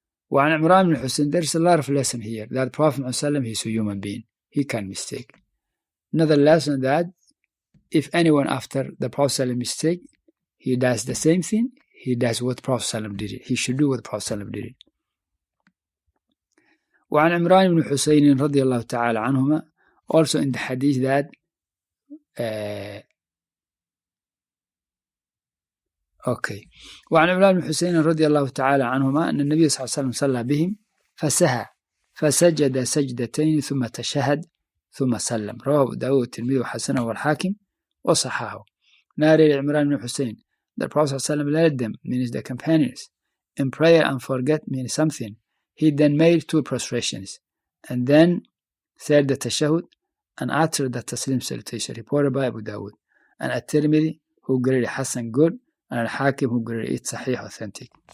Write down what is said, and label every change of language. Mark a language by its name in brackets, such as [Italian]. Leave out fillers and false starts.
[Arabic] وعن عمران بن حسين, [English] there is a lot of lesson here that Prophet Muhammad is a human being. He can mistake. Another lesson that if anyone after the Prophet mistake, he does the same thing, he does what Prophet did. He should do what Prophet did. [Arabic] وعن عمران بن حسين رضي الله تعالى عنهما, [English] also in the hadith that okay. [Arabic] وعن عمران بن حسين رضي الله تعالى عنهما أن النبي صلى الله عليه وسلم صلى بهم فسهى فسجد سجدتين ثم تشهد ثم سلم. رواه داود الترمذي وحسن والحاكم وصححه. نار عمران بن حسين. [English] The Prophet صلى الله عليه وسلم led them, means the companions, in prayer and forget means something. He then made two prostrations and then said the tashahud and uttered the taslim salutation, reported by Abu Dawood. And at-Tirmidhi, who greatly Hassan good, and al-Hakim, who greatly it sahih, authentic.